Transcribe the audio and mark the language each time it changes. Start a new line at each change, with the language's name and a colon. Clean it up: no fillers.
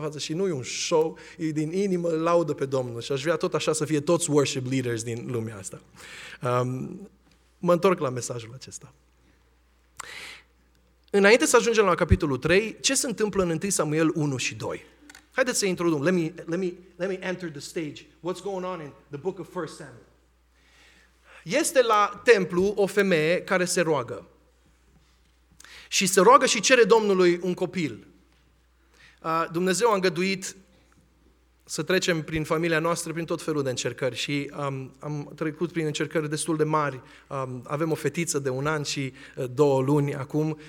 Romanian: față și nu e un show, e din inimă, laudă pe Domnul. Și aș vrea tot așa să fie toți worship leaders din lumea asta. Mă întorc la mesajul acesta. Înainte să ajungem la capitolul 3, ce se întâmplă în 1 Samuel 1 și 2? Haideți să introducem.
English: Let me enter the stage. What's going on in the book of 1 Samuel?
Romanian: Este la templu o femeie care se roagă. Și se roagă și cere Domnului un copil. Dumnezeu a îngăduit să trecem prin familia noastră, prin tot felul de încercări. Și am trecut prin încercări destul de mari. Avem o fetiță de un an și două luni acum.